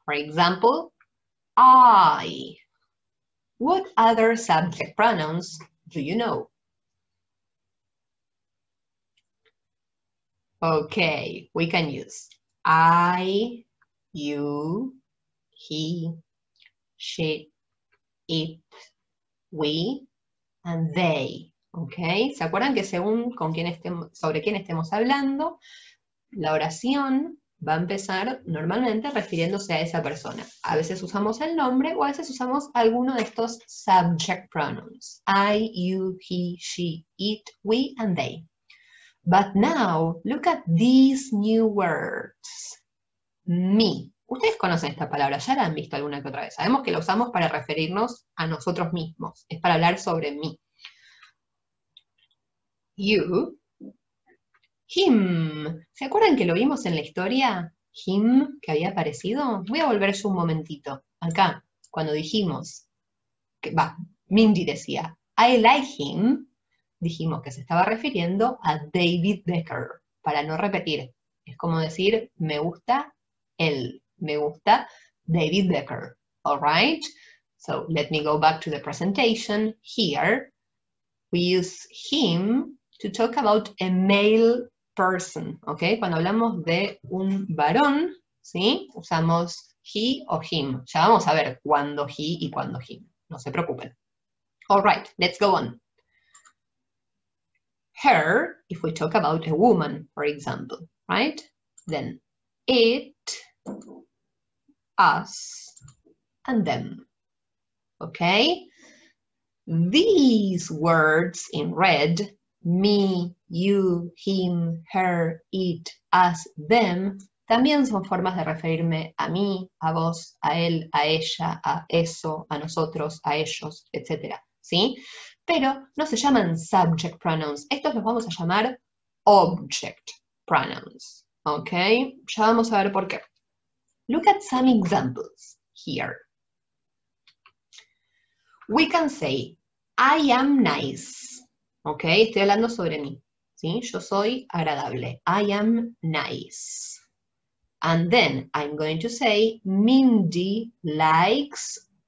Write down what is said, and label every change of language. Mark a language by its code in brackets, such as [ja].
[en] For example, I. What other subject pronouns do you know? Okay, we can use I, you, he, she, it, we, and they. [es] Okay, ¿se acuerdan que según con quién sobre quién estemos hablando, la oración va a empezar normalmente refiriéndose a esa persona? A veces usamos el nombre o a veces usamos alguno de estos subject pronouns. [en] I, you, he, she, it, we, and they. But now, look at these new words. Me. [es] Ustedes conocen esta palabra, ya la han visto alguna que otra vez. Sabemos que la usamos para referirnos a nosotros mismos. Es para hablar sobre mí. You. Him. ¿Se acuerdan que lo vimos en la historia? Him, que había aparecido. Voy a volver yo un momentito. Acá, cuando dijimos, Mindy decía, [en] I like him, [es] dijimos que se estaba refiriendo a David Becker, para no repetir. Es como decir, me gusta él, me gusta David Becker. [en] All right? So, let me go back to the presentation. Here, we use him to talk about a male person, ¿ok? [es] Cuando hablamos de un varón, ¿sí? Usamos he o him. Ya vamos a ver cuándo he y cuándo him. No se preocupen. [en] All right, let's go on. Her, if we talk about a woman, for example, right? Then it, us, and them. ¿Ok? These words in red, me, you, him, her, it, us, them, también son formas de referirme a mí, a vos, a él, a ella, a eso, a nosotros, a ellos, etc. ¿Sí? [es] Pero no se llaman subject pronouns, estos los vamos a llamar object pronouns. ¿Ok? Ya vamos a ver por qué. [en] Look at some examples here. We can say, I am nice. [es] Ok, estoy hablando sobre mí, ¿sí? Yo soy agradable. [en] I am nice. And then I'm going to say, Mindy likes...